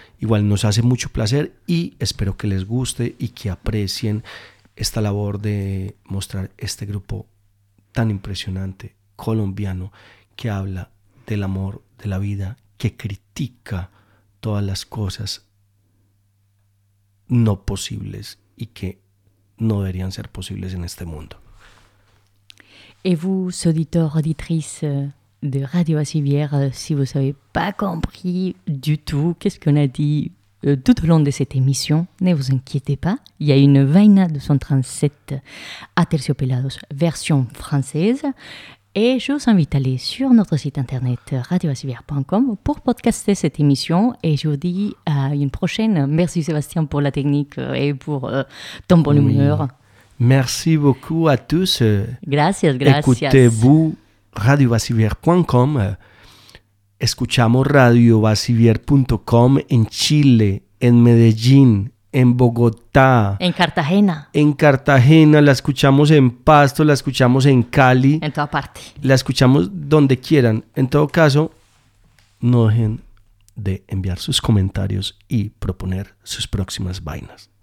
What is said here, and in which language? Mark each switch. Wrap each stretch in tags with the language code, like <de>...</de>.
<es>Igual nos hace mucho placer y espero que les guste y que aprecien esta labor de mostrar este grupo tan impresionante colombiano, que habla del amor, de la vida, que critica todas las cosas no posibles y que no deberían ser posibles en este mundo.</es> <fr>Y vos, auditeur, auditrice de Radio Basivière, si vous avez pas compris du tout qu'est-ce qu'on a dit tout au long de cette émission, ne vous inquiétez pas, il y a une vaina de 237 Aterciopelados version française. Et je vous invite à aller sur notre site internet radioasivière.com pour podcaster cette émission. Et je vous dis à une prochaine. Merci Sébastien pour la technique et pour ton bon humeur. Merci beaucoup à tous.</fr> <es>Gracias, gracias.</es> <fr>Écoutez-vous radiovasivier.com.</fr> <es>Escuchamos radiovasivier.com en Chile, en Medellín, en Bogotá. En Cartagena. En Cartagena, la escuchamos en Pasto, la escuchamos en Cali. En toda parte. La escuchamos donde quieran. En todo caso, no dejen de enviar sus comentarios y proponer sus próximas vainas.</es>